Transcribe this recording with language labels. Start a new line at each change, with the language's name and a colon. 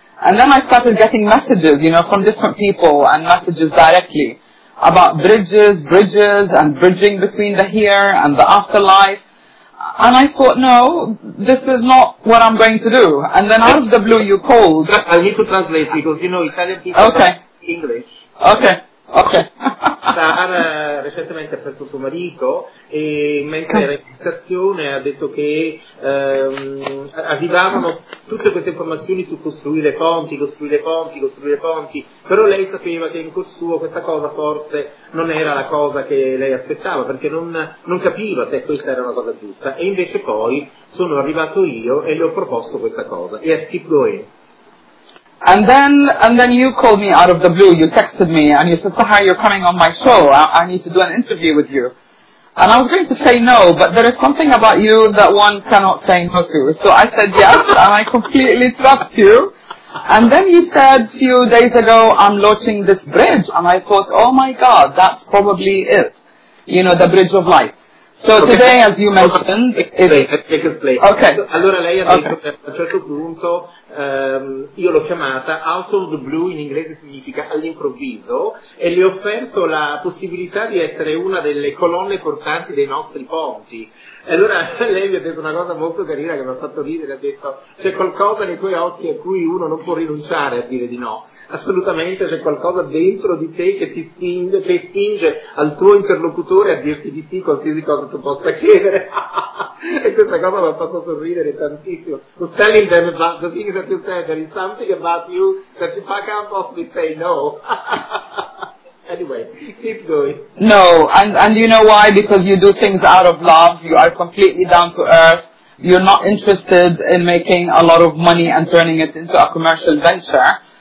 English: And then I started getting messages, from different people, and messages directly about bridges and bridging between the here and the afterlife. And I thought, no, this is not what I'm going to do. And then out of the blue you called. I need to translate because, Italian people okay. Are English. Okay. Ok.
Italian: Sahar recentemente ha perso suo marito e mentre era in stazione ha detto che arrivavano tutte queste informazioni su costruire ponti, però lei sapeva che in corso suo questa cosa forse non era la cosa che lei aspettava, perché non capiva se questa era una cosa giusta, e invece poi sono arrivato io e le ho proposto questa cosa.
English: Yes, keep going. And then you called me out of the blue, you texted me, and you said, Sahar, you're coming on my show, I need to do an interview with you. And I was going to say no, but there is something about you that one cannot say no to. So I said yes, and I completely trust you. And then you said a few days ago, I'm launching this bridge, and I thought, oh my God, that's probably it. The bridge of life. So okay. Today, as you mentioned,
Italian: it's... Okay. Allora lei ha detto che a un certo punto io l'ho chiamata
English: Out of the Blue,
Italian: in inglese significa all'improvviso, e le ho offerto la possibilità di essere una delle colonne portanti dei nostri ponti. E allora lei mi ha detto una cosa molto carina che mi ha fatto ridere, ha detto: c'è qualcosa nei tuoi occhi a cui uno non può rinunciare a dire di no. Assolutamente, c'è qualcosa dentro di te che ti spinge, che spinge al tuo interlocutore a dirti di sì qualsiasi cosa tu possa chiedere. E questa cosa mi ha fatto sorridere tantissimo.
English: Who's telling them about the things that you say? There is something about you that you pack up off and say no. Anyway, keep going. No, and you know why? Because you do things out of love. You are completely down to earth. You're not interested in making a lot of money and turning it into a commercial venture.